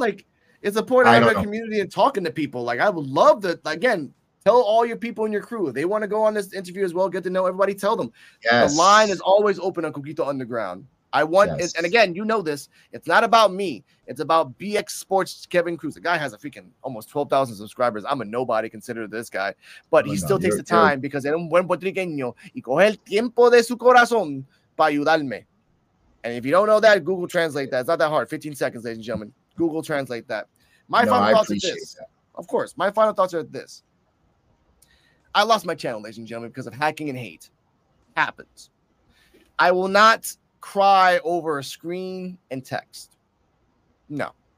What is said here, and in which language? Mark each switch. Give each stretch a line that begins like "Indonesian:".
English: Like, it's a point of having a community and talking to people. Like, I would love to, again, tell all your people in your crew. If they want to go on this interview as well, get to know everybody, tell them. Yes. The line is always open on Coquito Underground. I want, yes. And again, you know this, it's not about me. It's about BX Sports Kevin Cruz. The guy has a freaking almost 12,000 subscribers. I'm a nobody considered this guy. But he still takes the time because
Spanish: era un buen puertorriqueño y coge el tiempo de su corazón para ayudarme.
English: And if you don't know that, Google Translate that. It's not that hard. 15 seconds, ladies and gentlemen. Google Translate that. My final thoughts are this. Of course, my final thoughts are this. I lost my channel, ladies and gentlemen, because of hacking and hate. Happens. I will not cry over a screen and text. No.